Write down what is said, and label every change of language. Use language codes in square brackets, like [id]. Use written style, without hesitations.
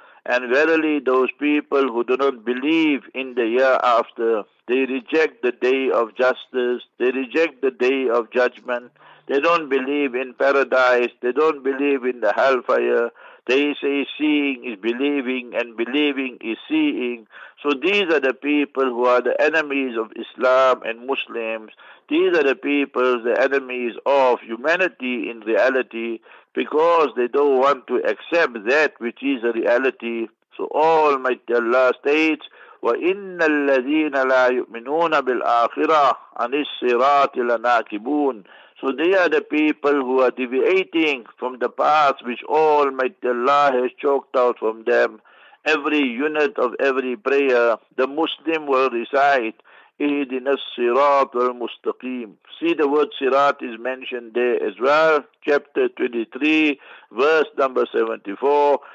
[en] And verily those people who do not believe in the year after, they reject the day of justice, they reject the day of judgment, they don't believe in paradise, they don't believe in the hellfire, they say seeing is believing and believing is seeing. So these are the people who are the enemies of Islam and Muslims. These are the people, the enemies of humanity in reality, because they don't want to accept that which is a reality. So Almighty Allah states, [ar] وَإِنَّ الَّذِينَ لَا يُؤْمِنُونَ بِالْآخِرَةِ عَنِ الصِّرَاطِ لَنَاكِبُونَ. [en] So they are the people who are deviating from the path which Almighty Allah has chalked out from them. Every unit of every prayer, the Muslim will recite, [ar] اِهْدِنَا الصِّرَاطَ الْمُسْتَقِيمَ. [en] See, the word sirat is mentioned there as well. Chapter 23, verse number 74.